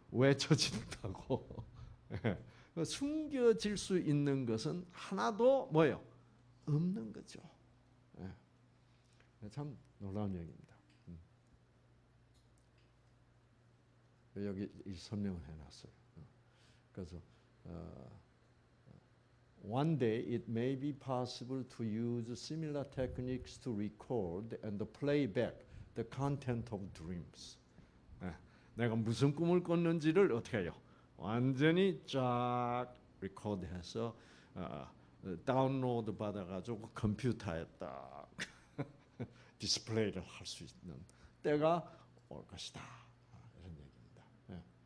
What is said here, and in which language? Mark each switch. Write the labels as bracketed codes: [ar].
[ko] 외쳐진다고. 예. 숨겨질 수 있는 것은 하나도 뭐예요? 없는 거죠. 예. 참 놀라운 얘기입니다. 여기 이 설명을 해놨어요. 그래서 [en] one day it may be possible to use similar techniques to record and play back the content of dreams. [ko] 네. 내가 무슨 꿈을 꿨는지를 어떻게 해요? 완전히 쫙 리코드해서 다운로드 받아가지고 컴퓨터에 딱 디스플레이를 할 수 있는 때가 올 것이다. 이런 얘기입니다. 네.